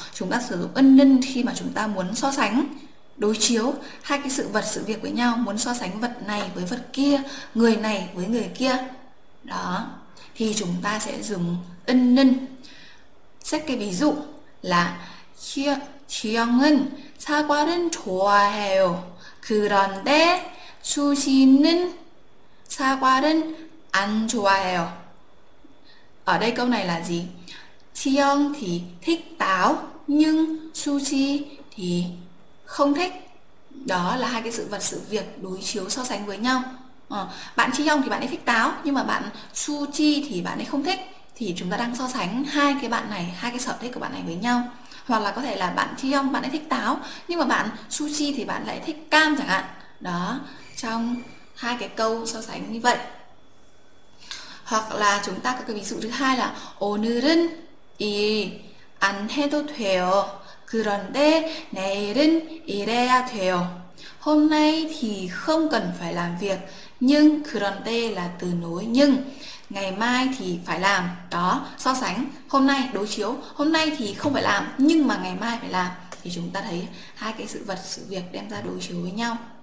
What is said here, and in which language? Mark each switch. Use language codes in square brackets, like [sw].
[vi] Chúng ta sử dụng ân nhân khi mà chúng ta muốn so sánh, đối chiếu hai cái sự vật, sự việc với nhau, muốn so sánh vật này với vật kia, người này với người kia. Đó, thì chúng ta sẽ dùng ân nhân. Xét cái ví dụ là [ko] 지영은 사과를 좋아해요. 그런데 수시는 사과를 안 좋아해요. [vi] Ở đây câu này là gì? Chiong thì thích táo nhưng Sushi thì không thích. Đó là hai cái sự vật sự việc đối chiếu so sánh với nhau. Bạn Chiong thì bạn ấy thích táo nhưng mà bạn Sushi thì bạn ấy không thích. Thì chúng ta đang so sánh hai cái bạn này, hai cái sở thích của bạn này với nhau. Hoặc là có thể là bạn Chiong bạn ấy thích táo nhưng mà bạn Sushi thì bạn lại thích cam chẳng hạn. Đó, trong hai cái câu so sánh như vậy. Hoặc là chúng ta có cái ví dụ thứ hai là [ko] 오늘은 일안 해도 돼요. 그런데 내일은 일해야 돼요. [vi] Hôm nay thì không cần phải làm việc, nhưng 그런데 là từ nối nhưng, ngày mai thì phải làm. Đó, so sánh hôm nay đối chiếu, hôm nay thì không phải làm nhưng mà ngày mai phải làm, thì chúng ta thấy hai cái sự vật sự việc đem ra đối chiếu với nhau.